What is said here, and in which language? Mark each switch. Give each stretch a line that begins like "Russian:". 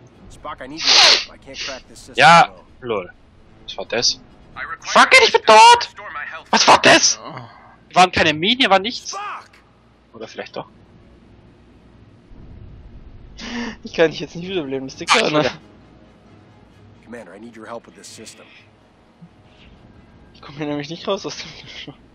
English: Spock, I need your help. I can't crack this.
German: Ja, lol. Was war das?
English: Fuck it,
German: ich bin tot! Was war das? Oh. Waren keine Minen, hier war nichts. Oder vielleicht doch. Ich kann dich jetzt nicht wiederbeleben, das Ding ist.
English: Commander, I need your help with this system.
German: Ich komme hier nämlich nicht raus aus dem Bildschirm.